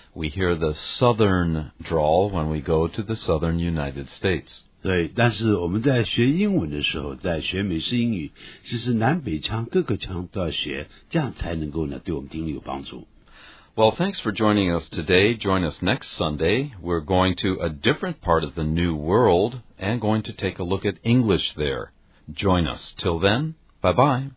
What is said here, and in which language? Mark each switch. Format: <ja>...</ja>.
<en>We hear the Southern drawl when we go to the Southern United States.</en> <zh>对，但是我们在学英文的时候，在学美式英语，其实南北腔各个腔都要学，这样才能够呢对我们听力有帮助。</zh> <en>Well, thanks for joining us today. Join us next Sunday. We're going to a different part of the New World and going to take a look at English there. Join us. Till then, bye-bye.</en>